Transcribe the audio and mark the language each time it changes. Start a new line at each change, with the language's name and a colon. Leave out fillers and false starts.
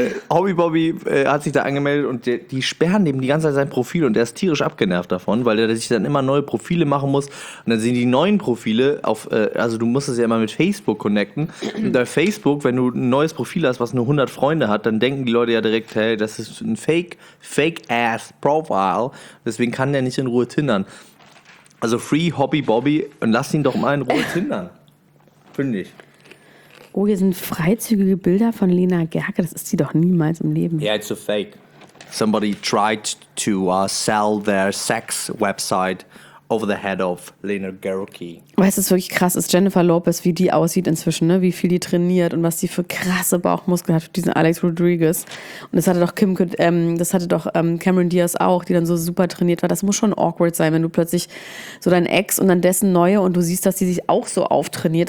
German: Hobby Bobby hat sich da angemeldet und die sperren dem die ganze Zeit sein Profil und der ist tierisch abgenervt davon, weil er sich dann immer neue Profile machen muss und dann sind die neuen Profile auf, also du musst es ja immer mit Facebook connecten und bei Facebook, wenn du ein neues Profil hast, was nur 100 Freunde hat, dann denken die Leute ja direkt, hey, das ist ein Fake-Ass-Profile, deswegen kann der nicht in Ruhe tindern. Also free Hobby Bobby und lass ihn doch mal in Ruhe tindern. Finde ich. Oh, hier sind freizügige Bilder von Lena Gerke. Das ist sie doch niemals im Leben.
English: Yeah, it's a fake. Somebody tried to sell their sex website over the head of Lena Gerke.
German: Weißt du, es ist wirklich krass, ist Jennifer Lopez, wie die aussieht inzwischen, ne? Wie viel die trainiert und was die für krasse Bauchmuskeln hat für diesen Alex Rodriguez. Und das hatte doch Cameron Diaz auch, die dann so super trainiert war. Das muss schon awkward sein, wenn du plötzlich so dein Ex und dann dessen neue und du siehst, dass die sich auch so auftrainiert.